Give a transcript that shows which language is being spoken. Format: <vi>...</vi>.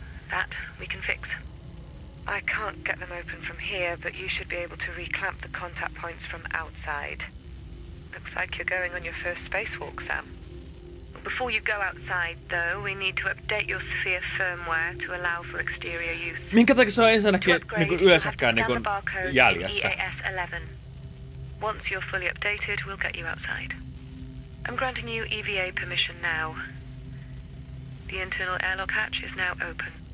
<en>That we can fix. I can't get them open from here, but you should be able to reclamp the contact points from outside. Looks like you're going on your first spacewalk, Sam. Before you go outside, though, we need to update your sphere firmware to allow for exterior use.</en> <fi>Minkä takia se on ensinnäkin niinku yleensäkään niinku jäljessä?</fi> <en>EAS-11. Once you're fully updated, we'll get you outside. I'm granting you EVA permission now. The internal airlock hatch is now open.</en>